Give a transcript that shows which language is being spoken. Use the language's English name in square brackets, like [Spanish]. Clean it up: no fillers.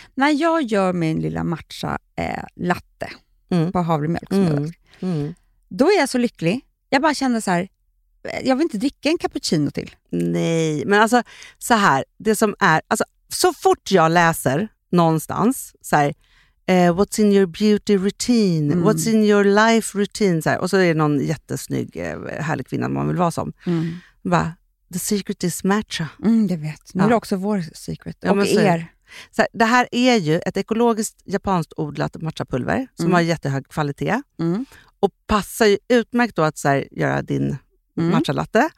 [Swedish] När jag gör min lilla matcha latte på havremjölk som då är jag så lycklig. Jag bara känner så här, jag vill inte dricka en cappuccino till. Nej, men alltså så här, det som är, alltså så fort jag läser någonstans så här, [English] What's in your beauty routine? Mm. What's in your life routine? [Swedish] Så här, och så är det någon jättesnygg, härlig kvinna man vill vara som. Mm. [English] Va? The secret is matcha. [Swedish] Mm, det vet. Nu är det också vår secret. Ja, och er. Så här, det här är ju ett ekologiskt japanskt odlat matchapulver som har jättehög kvalitet. Mm. Och passar ju utmärkt då att så här, göra din matchalatte.